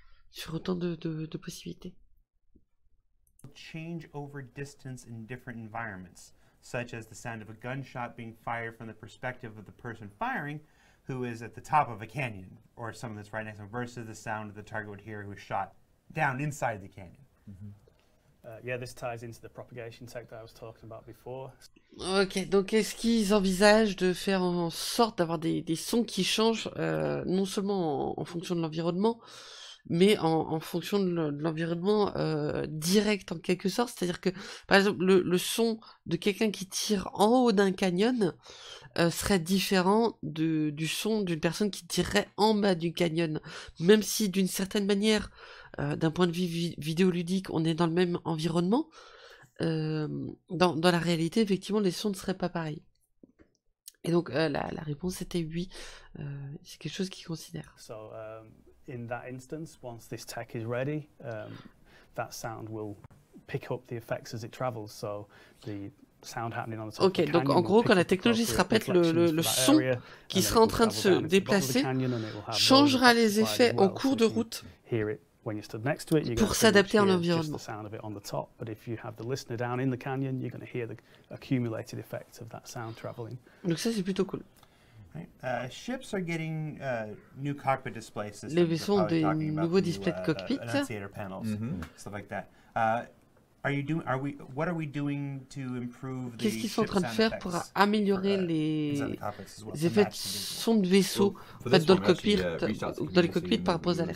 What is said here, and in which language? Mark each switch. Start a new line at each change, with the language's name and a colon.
French: sur autant de possibilités.
English: Change over distance in different environments, such as the sound of a gunshot being fired from the perspective of the person firing, who is at the top of a canyon, or someone that's right next to him, versus the sound of the target would hear who was shot down inside the canyon. Mm-hmm. Yeah, this ties into the propagation tech that I was talking about before.
French: Ok, donc est-ce qu'ils envisagent de faire en sorte d'avoir des sons qui changent non seulement en fonction de l'environnement, mais en fonction de l'environnement direct en quelque sorte, c'est-à-dire que par exemple le son de quelqu'un qui tire en haut d'un canyon serait différent du son d'une personne qui tirerait en bas du canyon, même si d'une certaine manière, d'un point de vue vidéoludique, on est dans le même environnement. Dans la réalité, effectivement, les sons ne seraient pas pareils. Et donc, la réponse était oui. C'est quelque chose qu'ils considèrent.
English: So, in that instance, once this tech is ready, that sound will pick up the effects as it travels. So, the sound happening on the top of the canyon.
French: Ok, donc en gros, quand la technologie sera prête, le son qui sera en train de se déplacer changera les effets en cours de route.
English: When you're stood next to it, you're
French: pour s'adapter à l'environnement.
English: Just the sound of it on the top, but if you have the listener down in the canyon, you're going to hear the accumulated effect of that sound traveling.
French: Donc ça c'est plutôt cool.
English: Right. Ships are getting new cockpit displays.
French: Les vaisseaux ont des nouveaux displays de cockpit.
English: Enunciator panels, mm-hmm. Stuff like that. What are we doing to improve the
French: Qu'est-ce qu'ils sont en train de faire
English: effects?
French: Pour améliorer les effets son de vaisseau well, dans one, le cockpit actually, dans les cockpits par rapport à l'air.